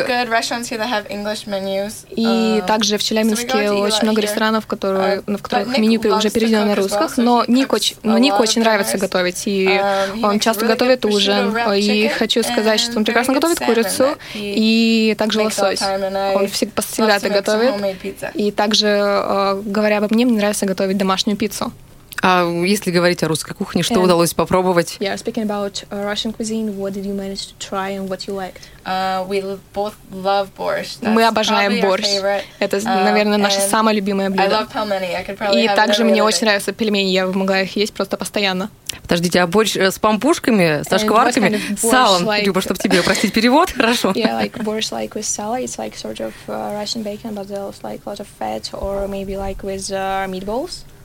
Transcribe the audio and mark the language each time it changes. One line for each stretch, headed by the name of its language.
Russian: И также в Челябинске очень много ресторанов, в которых меню уже переведено на русском, но Нику очень нравится готовить, и он часто готовит ужин. И хочу сказать, что он прекрасно готовит курицу и также лосось. Он всегда это готовит. И также, говоря обо мне нравится готовить домашнюю пиццу. А если говорить о русской кухне, что удалось попробовать?
English: Yeah, speaking about Russian cuisine, what did you manage to try and what you liked? We both love borscht.
Russian: Мы обожаем борщ. Это, наверное, наше самое любимое блюдо.
English: I love pelmeni.
Russian: И также мне очень нравятся пельмени. Я могла их есть просто постоянно. Подождите, а борщ с пампушками, со шкварками, с салом? Люба, чтобы тебе упростить перевод, хорошо?
English: Yeah, like borscht like with salad. It's like sort of Russian bacon, but there's like a lot of fat, or maybe like with meatballs.